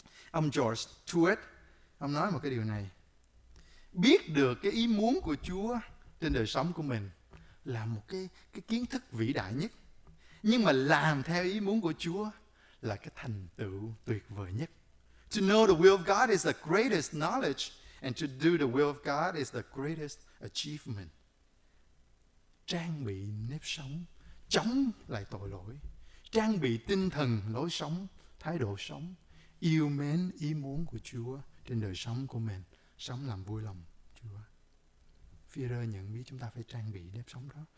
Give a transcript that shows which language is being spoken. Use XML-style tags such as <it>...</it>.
<vi>Ông George Tuet, ông nói một cái điều này: biết được cái ý muốn của Chúa trên đời sống của mình là một cái kiến thức vĩ đại nhất. Nhưng mà làm theo ý muốn của Chúa là cái thành tựu tuyệt vời nhất.</vi> <en>To know the will of God is the greatest knowledge, and to do the will of God is the greatest achievement.</en> <vi>Trang bị nếp sống, chống lại tội lỗi. Trang bị tinh thần, lối sống, thái độ sống. Yêu mến ý muốn của Chúa trên đời sống của mình. Sống làm vui lòng Chúa. Phi-rơ nhận biết chúng ta phải trang bị nếp sống đó.</vi>